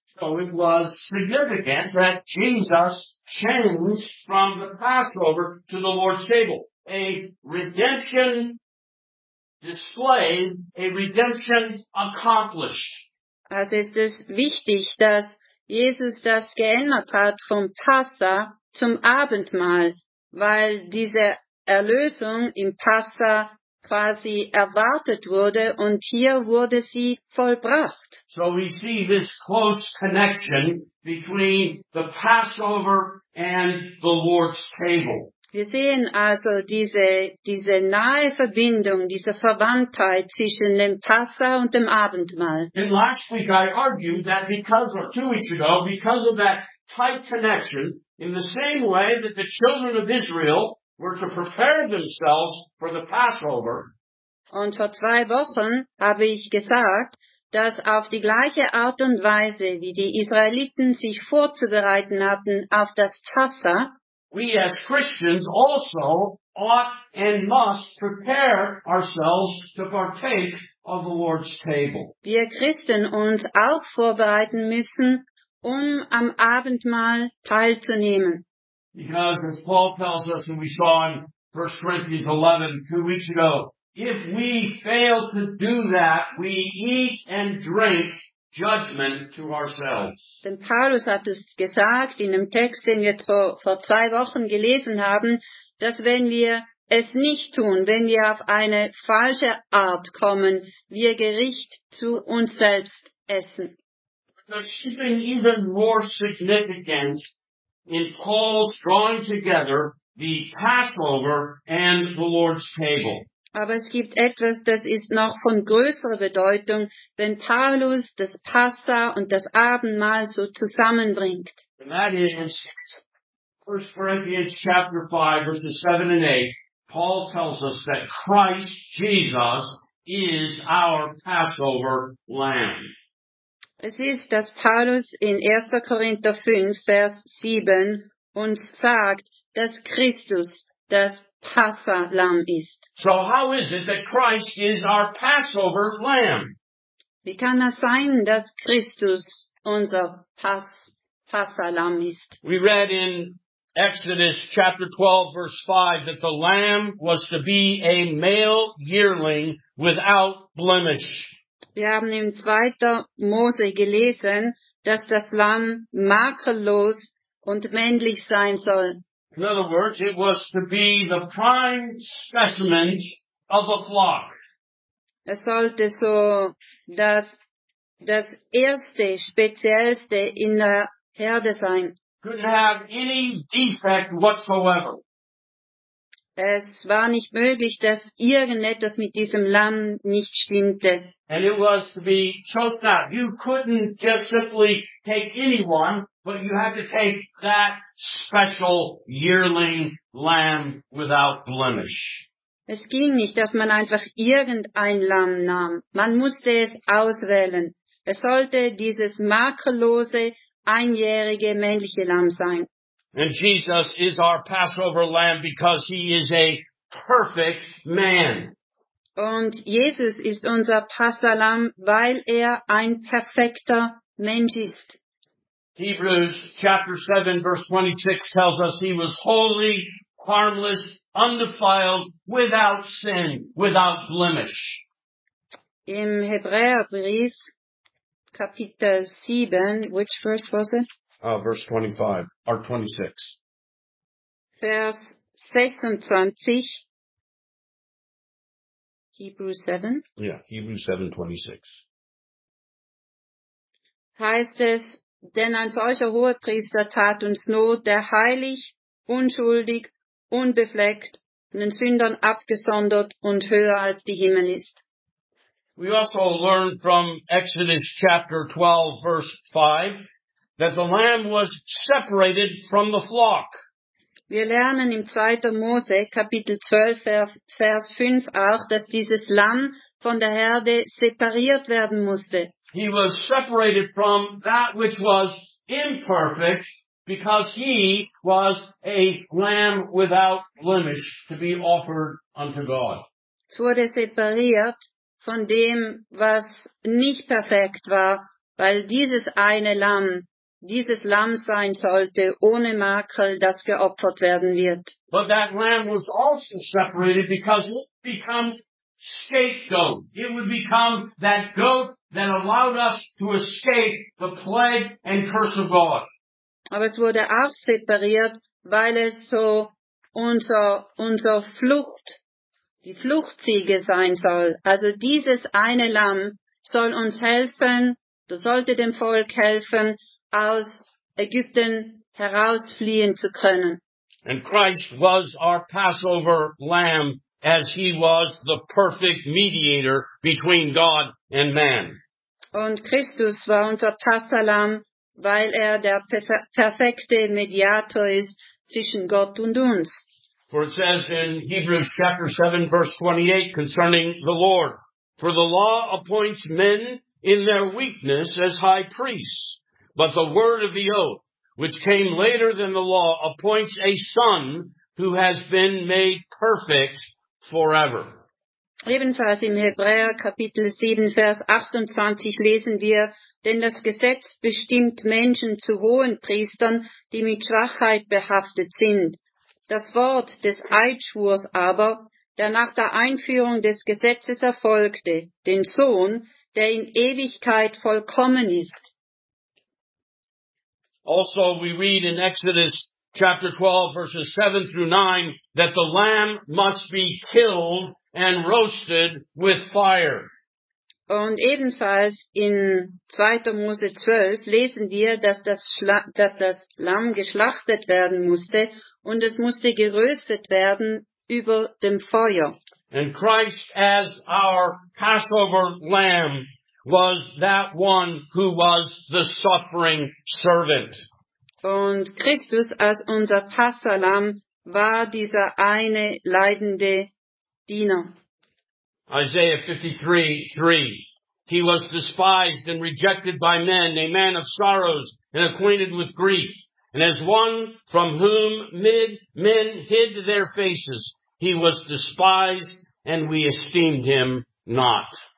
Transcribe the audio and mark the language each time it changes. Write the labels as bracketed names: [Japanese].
[English] So it was significant that Jesus changed from the Passover to the Lord's table. A redemption displayed, a redemption accomplished. [German] Also ist es wichtig, dass Jesus das geändert hat vom Passa zum Abendmahl, weil diese Erlösung im Passa quasi erwartet wurde und hier wurde sie vollbracht. [English] So we see this close connection between the Passover and the Lord's table. [German] Wir sehen also diese nahe Verbindung, diese Verwandtheit zwischen dem Passa und dem Abendmahl. [English] And last week I argued that because, or 2 weeks ago, because of that tight connection, in the same way that the children of Israel were to prepare themselves for the Passover. [German] Und vor 2 Wochen habe ich gesagt, dass auf die gleiche Art und Weise, wie die Israeliten sich vorzubereiten hatten auf das Passa, [English] we as Christians also ought and must prepare ourselves to partake of the Lord's table. [German] Wir Christen uns auch vorbereiten müssen, um am Abendmahl teilzunehmen. [English] Because as Paul tells us, and we saw in 1 Corinthians 11 2 weeks ago, if we fail to do that, we eat and drink judgment to ourselves. [German] Denn Paulus hat es gesagt in dem Text, den wir vor 2 Wochen gelesen haben, dass wenn wir es nicht tun, wenn wir auf eine falsche Art kommen, wir Gericht zu uns selbst essen. [English] There's something even more significant in Paul's drawing together the Passover and the Lord's table. [German] Aber es gibt etwas, das ist noch von größerer Bedeutung, wenn Paulus das Passa und das Abendmahl so zusammenbringt. [English] And that is 1 Corinthians chapter 5, verses 7 and 8. Paul tells us that Christ Jesus is our Passover lamb. [German] Es ist, dass Paulus in 1. Korinther 5, Vers 7 uns sagt, dass Christus das Passa-Lamm ist. [English] So how is it that Christ is our Passover lamb? [German] Wie kann das sein, dass Christus unser Passa-Lamm ist? [English] We read in Exodus chapter 12, verse 5, that the lamb was to be a male yearling without blemish. [German] Wir haben im 2. Mose gelesen, dass das Lamm makellos und männlich sein soll. [English] In other words, it was to be the prime specimen of a flock. [German] Es sollte so das erste, speziellste in der Herde sein. [English] Couldn't have any defect whatsoever. [German] Es war nicht möglich, dass irgendetwas mit diesem Lamm nicht stimmte. [English] And it was to be chosen out. You couldn't just simply take anyone, but you had to take that special yearling lamb without blemish. [German] Es ging nicht, dass man einfach irgendein Lamm nahm. Man musste es auswählen. Es sollte dieses makellose, einjährige männliche Lamm sein. [English] And Jesus is our Passover lamb because he is a perfect man. [German] Und Jesus ist unser Passalam, weil er ein perfekter Mensch ist. [English] Hebrews chapter 7 verse 26 tells us he was holy, harmless, undefiled, without sin, without blemish. [German] Im Hebräerbrief Kapitel 7, [English] which verse was it? Verse 25 or 26. [German] Vers 26. [English] Hebrews 7? Yeah, Hebrews 7:26. [German] Heißt es, denn ein solcher Hohepriester tat uns Not, der heilig, unschuldig, unbefleckt, von den Sündern abgesondert und höher als die Himmel ist. [English] We also learn from Exodus chapter 12, verse 5, that the lamb was separated from the flock. [German] Wir lernen im 2. Mose, Kapitel 12, Vers 5 auch, dass dieses Lamm von der Herde separiert werden musste. [English] He was separated from that which was imperfect, because he was a lamb without blemish to be offered unto God. [German] Es wurde separiert von dem, was nicht perfekt war, weil dieses eine Lamm, dieses Lamm sein sollte, ohne Makel, das geopfert werden wird. [English] But that lamb was also separated because it would become scapegoat. It would become that goat that allowed us to escape the plague and curse of God. [German] Aber es wurde auch separiert, weil es so unser Flucht, die Fluchtziege sein soll. Also dieses eine Lamm soll uns helfen, das sollte dem Volk helfen, aus Ägypten herausfliehen zu können. [English] And Christ was our Passover lamb as he was the perfect mediator between God and man. [German] Und Christus war unser Passalam, weil der perfekte Mediator ist zwischen Gott und uns. [English] For it says in Hebrews chapter 7 verse 28 concerning the Lord, for the law appoints men in their weakness as high priests, but the word of the oath, which came later than the law, appoints a son who has been made perfect forever. [German] Ebenfalls im Hebräer Kapitel 7 Vers 28 lesen wir, denn das Gesetz bestimmt Menschen zu hohen Priestern, die mit Schwachheit behaftet sind. Das Wort des Eidschwurs aber, der nach der Einführung des Gesetzes erfolgte, den Sohn, der in Ewigkeit vollkommen ist. [English] Also we read in Exodus chapter 12 verses 7 through 9 that the lamb must be killed and roasted with fire. [German] Und ebenfalls in 2. Mose 12 lesen wir, dass das Lamm geschlachtet werden musste und es musste geröstet werden über dem Feuer. [English] And Christ as our Passover lamb was that one who was the suffering servant. [German] Und Christus als unser Passalam war dieser eine leidende Diener. [English] Isaiah 53:3. He was despised and rejected by men, a man of sorrows and acquainted with grief. And as one from whom men hid their faces, he was despised and we esteemed him not.